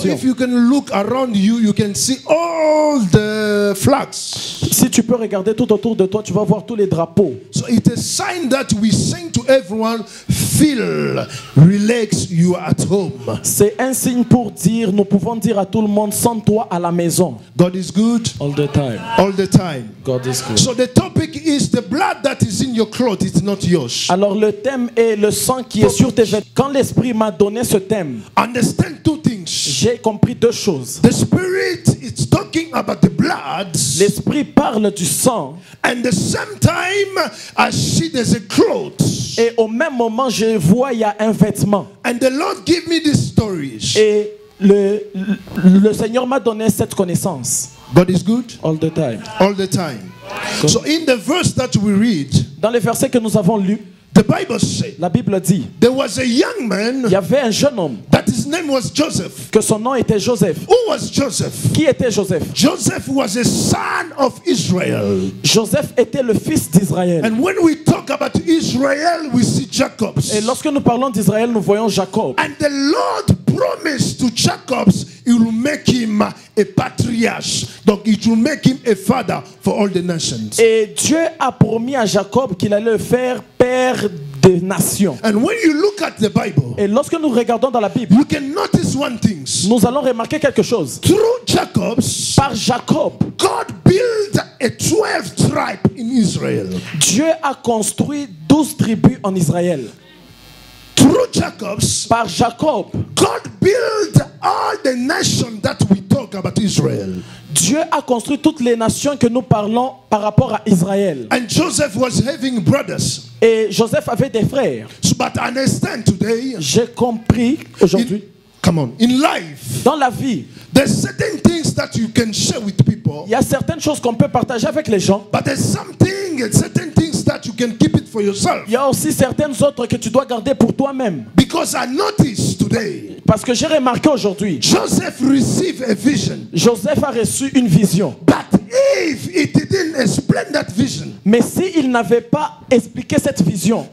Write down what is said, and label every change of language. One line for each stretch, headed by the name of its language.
English: So if you can look around you, you can see all the flags.
French: Si tu peux regarder tout autour de toi, tu vas voir tous les drapeaux.
English: So it is a sign that we sing to everyone, feel, relax, you are at home.
French: C'est un signe pour dire, nous pouvons dire à tout le monde, sans toi à la maison.
English: God is good all the time. All the time. God is good. So the topic is the blood that is in your clothes, it's not yours.
French: Alors le thème est le sang qui est sur tes vêtements. Quand l'esprit m'a donné ce thème,
English: understand two things.
French: J'ai compris deux choses.
English: The spirit is talking about the blood.
French: L'esprit parle du sang.
English: And the same time, I see there's a cloth.
French: Et au même moment, je vois il y a un vêtement.
English: And the Lord give me this story.
French: Et le Seigneur m'a donné cette connaissance.
English: God is good all the time. All the time. Good. So in the verse that we read,
French: dans les versets que nous avons lus,
English: the Bible says,
French: la Bible dit,
English: there was a young man,
French: il y avait un jeune homme,
English: that his name was Joseph,
French: que son nom était Joseph.
English: Who was Joseph?
French: Qui était Joseph?
English: Joseph was a son of Israel.
French: Joseph était le fils d'Israël.
English: And when we talk about Israel, we see Jacob.
French: Et lorsque nous parlons d'Israël, nous voyons Jacob.
English: And the Lord promised to Jacob, he will make him a patriarch. Donc, it will make him a father for all the nations.
French: Et Dieu a promis à Jacob qu'il allait le faire père des nations.
English: And when you look at the Bible,
French: et lorsque nous regardons dans la Bible,
English: you can notice one thing.
French: Nous allons remarquer quelque chose.
English: Through Jacob,
French: par Jacob,
English: God built a 12 tribe in Israel.
French: Dieu a construit 12 tribus en Israël.
English: Through Jacob,
French: par Jacob,
English: God built all the nations that we talk about Israel.
French: Dieu a construit toutes les nations que nous parlons par rapport à Israël.
English: And Joseph was having brothers.
French: Et Joseph avait des frères.
English: So, but understand today.
French: J'ai compris aujourd'hui.
English: Come on, in life.
French: Dans la vie.
English: There's certain things that you can share with people.
French: Il y a certaines choses qu'on peut partager avec les gens.
English: But there's something, certain things that you can keep it for yourself.
French: Il y a aussi certaines autres que tu dois garder pour toi-même.
English: Because I noticed today.
French: Parce que j'ai remarqué aujourd'hui.
English: Joseph received a vision.
French: Joseph a reçu une vision.
English: But if he didn't explain that vision.
French: Mais si il n'avait pas expliqué cette vision.